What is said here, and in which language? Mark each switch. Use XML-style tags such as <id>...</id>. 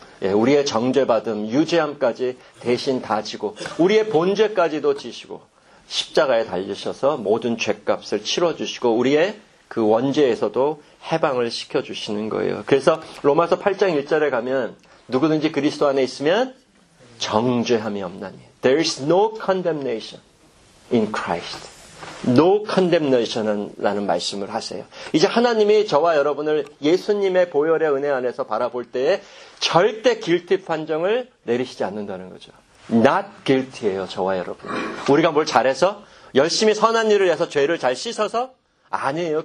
<ko>예, 우리의 정죄받음, 유죄함까지 대신 다 지고 우리의 본죄까지도 지시고 십자가에 달리셔서 모든 죄값을 치러주시고 우리의 그 원죄에서도 해방을 시켜주시는 거예요. 그래서 로마서 8장 1절에 가면 누구든지 그리스도 안에 있으면 정죄함이 없나니.</ko> <en>There is no condemnation in Christ. No condemnation</en> <ko>이라는 말씀을 하세요. 이제 하나님이 저와 여러분을 예수님의 보혈의 은혜 안에서 바라볼 때에 절대 guilty 판정을 내리시지 않는다는 거죠.</ko> <en>Not guilty</en> <ko>예요, 저와 여러분. 우리가 뭘 잘해서? 열심히 선한 일을 해서 죄를 잘 씻어서? 아니에요.</ko>